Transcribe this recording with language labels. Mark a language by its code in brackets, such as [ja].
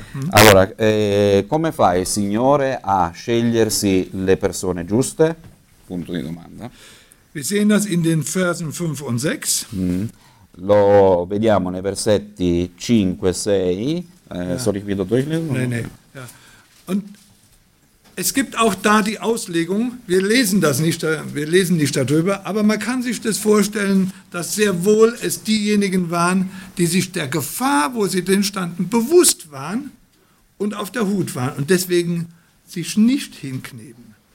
[it] Allora, come fa il Signore a scegliersi le persone giuste? Punto di domanda. [de] Wir sehen das in den Versen 5 und 6. [it] Lo vediamo nei versetti 5 e 6. [de] Soll ich wieder durchlesen? Nein. Ja. Und es gibt auch da die Auslegung, wir lesen nicht darüber, aber man kann sich das vorstellen, dass sehr wohl es diejenigen waren, die sich der Gefahr, wo sie drin standen, bewusst waren und auf der Hut waren und deswegen sich nicht hinkneben.